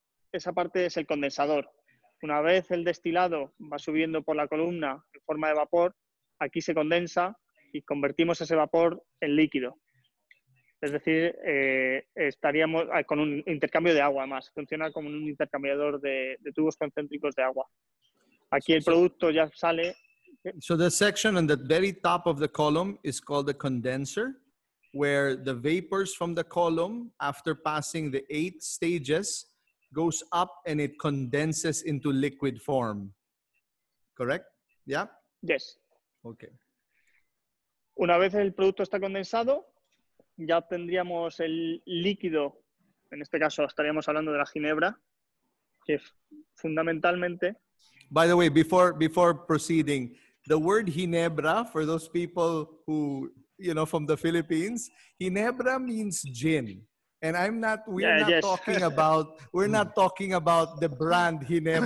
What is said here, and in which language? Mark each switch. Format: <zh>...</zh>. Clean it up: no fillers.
<es>Esa parte es el condensador. Una vez el destilado va subiendo por la columna en forma de vapor, aquí se condensa y convertimos ese vapor en líquido. Es decir, estaríamos con un intercambio de agua, además. Funciona como un intercambiador de tubos concéntricos de agua. Aquí el producto ya sale.</es> <en>So the section on the very top of the column is called the condenser, where the vapors from the column, after passing the 8 stages, goes up and it condenses into liquid form. Correct? Yeah? Yes. Okay.</en> <es>Una vez el producto está condensado, ya obtendríamos el líquido, en este caso estaríamos hablando de la ginebra, que fundamentalmente...</es> <en>By the way, before proceeding, the word ginebra, for those people who, you know, from the Philippines, ginebra means gin. And we're not talking about the brand ginebra.</en>